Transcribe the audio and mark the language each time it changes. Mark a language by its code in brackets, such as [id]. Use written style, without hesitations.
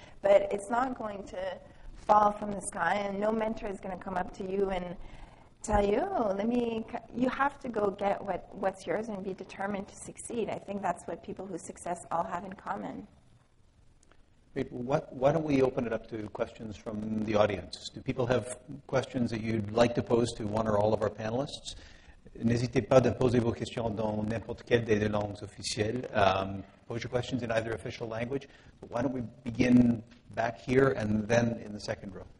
[en] But it's not going to fall from the sky, and no mentor is going to come up to you and tell you, you have to go get what's yours and be determined to succeed. I think that's what people who success all have in common. Great. Why don't we open it up to questions from the audience? Do people have questions that you'd like to pose to one or all of our panelists? [fr] N'hésitez pas de poser vos questions dans n'importe quelle des langues officielles. [en] Pose your questions in either official language. But why don't we begin back here and then in the second row?